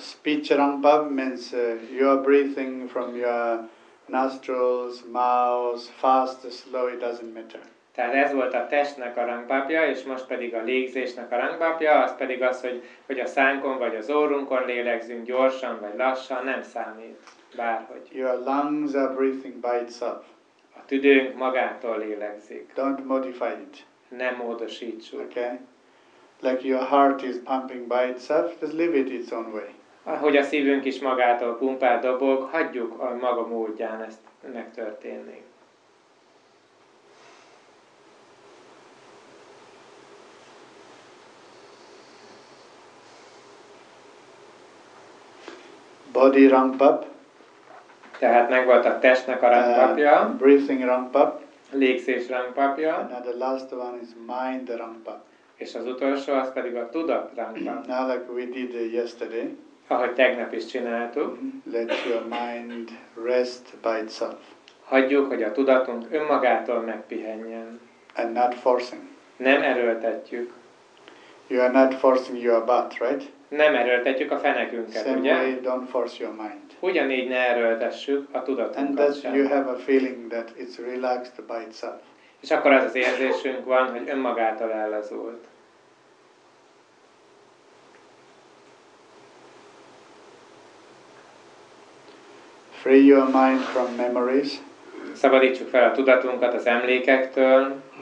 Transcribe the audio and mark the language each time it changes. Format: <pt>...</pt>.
<en>Speech rang pap means you are breathing from your nostrils, mouth, fast, slow, it doesn't matter.</en> <hu>Tehát ez volt a testnek a rangpapja, és most pedig a légzésnek a rangpapja, az pedig az, hogy a szánkon vagy az orrunkon lélegzünk gyorsan vagy lassan, nem számít bárhogy.</hu> <en>Your lungs are breathing by itself.</en> <hu>A tüdőnk magától lélegzik.</hu> <en>Don't modify it.</en> <hu>Nem módosítsuk.</hu> <en>Okay. Like your heart is pumping by itself, just leave it its own way.</en> <hu>Ahogy a szívünk is magától pumpál, dobog, hagyjuk a maga módján ezt megtörténni.</hu> <en>Body ramp up.</en> <hu>Tehát meg volt a testnek a rangpapja.</hu> <en>Breathing ramp up.</en> <hu>Légzés rangpapja.</hu> <en>And the last one is mind ramp up.</en> <hu>És az utolsó az pedig a tudat rangpap.</hu> <en>Now like we did yesterday.</en> <hu>Ahogy tegnap is csináltuk.</hu> <en>Let your mind rest by itself.</en> <hu>Hagyjuk, hogy a tudatunk önmagától megpihenjen.</hu> <en>And not forcing.</en> <hu>Nem erőltetjük.</hu> <en>You are not forcing your butt, right?</en> <hu>Nem erőltetjük a fenekünket,</hu> <en>same</en> <hu>ugye?</hu> <en>Way, don't force your mind.</en> <hu>Ugyanígy ne erőltessük a tudatunkat.</hu> <en>And that you have a feeling that it's relaxed by itself.</en> <hu>És akkor az érzésünk van, hogy önmagától ellazult.</hu> <en>Free your mind from memories.</en> <hu>Szabadítsuk fel a tudatunkat az emlékektől.</hu>